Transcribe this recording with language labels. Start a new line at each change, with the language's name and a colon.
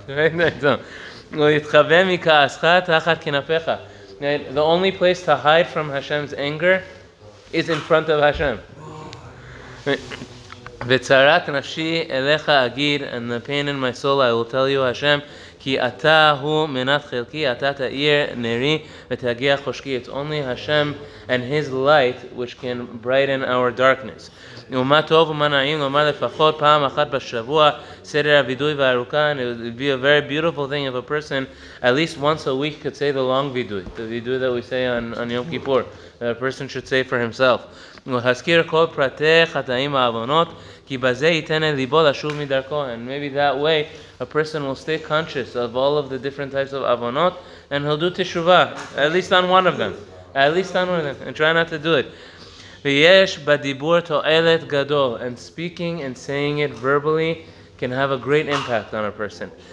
English: Right? The only place to hide from Hashem's anger is in front of Hashem. And the pain in my soul I will tell you, Hashem,
Hebrew: כי אתה הוא מנת חלקי, אתה תאיר נרי ותגיע חושקי.
English: It's only Hashem and His light which can brighten our darkness.
Hebrew: ומה טוב ומה נעים לומר לפחות פעם אחת בשבוע סדר הוידוי והארוכה.
English: And it would be a very beautiful thing if a person at least once a week could say the long וידוי, the וידוי that we say on Yom Kippur, that a person should say for himself.
Hebrew: ולהזכיר כל פרטי חטאים והעוונות, כי בזה ייתן אל ליבו לשוב מדרכו.
English: And maybe that way a person will stay conscious of all of the different types of avonot, and he'll do teshuvah, at least on one of them, at least on one of them, and try not to do it.
Hebrew: V'yesh badibur to'elet gadol,
English: and speaking and saying it verbally can have a great impact on a person.